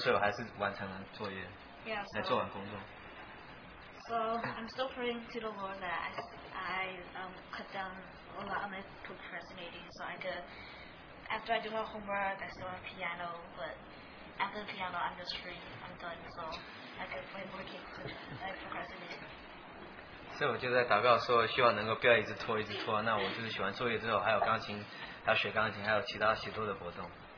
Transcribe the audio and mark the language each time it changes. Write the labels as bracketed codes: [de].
[zh] 那就是我还是一直就是拖这个时间，但是我这个作业还是没有拖得很严重，所以我还是完成了作业，来做完工作。 [en] So I'm still praying to the Lord that I cut down a lot of my procrastinating, so I could. After I do my homework, I still have piano, but after the piano, I'm just free. I'm done, so I can play more games and I procrastinate. [zh] 所以我就在祷告说，希望能够不要一直拖，一直拖。那我就是写完作业之后，还有钢琴，还有学钢琴，还有其他许多的活动。